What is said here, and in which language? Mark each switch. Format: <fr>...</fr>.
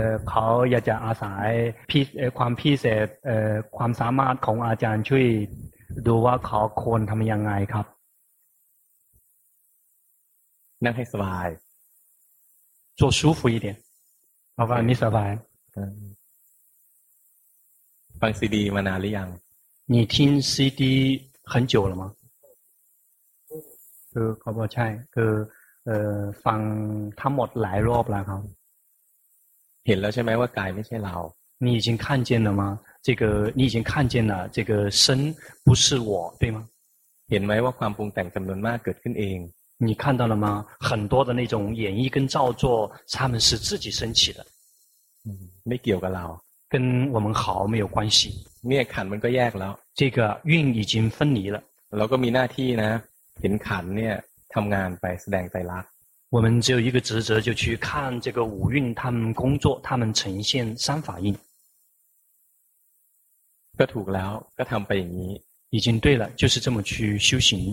<th>ขาอยากจะอาศัยความพิเศษความสามารถของอาจารย์ช่วยดูว่าเขาควรทำยังไงครับ นั่งให้สบาย</th> <zh>坐舒服一点好吧你สบาย</zh> <th>ฟังซีดีมานานหรือยัง</th> <zh>你听 CD 很久了吗</zh> <th>คือเขาบอกใช่คือฟังทั้งหมดหลายรอบแล้วครับ เห็นแล้วใช่ไหมว่ากายไม่ใช่เรา</th> <zh>你已经看见了吗这个你已经看见了这个身不是我对吗</zh> <th>เห็นไหมว่าความปรุงแต่งจำนวนมากเกิดขึ้นเอง</th> <zh>你看到了吗很多的那种演绎跟造作他们是自己升起的</zh> <th>ไม่เกี่ยวกับเรา</th> <zh>跟我们好没有关系</zh> <th>เนี่ยขันมันก็แยกแล้ว</th> <zh>这个运已经分离了</zh> <th>เราก็มีหน้าที่นะเห็นขันเนี่ยทำงานไปแสดงไตรลักษณ์</th> <zh>我们只有一个职责就去看这个五蕴他们工作他们呈现三法印</zh> <th>ก็ถูกแล้วก็ทำไปอย่างนี้</th> <zh>已经对了就是这么去修行</zh>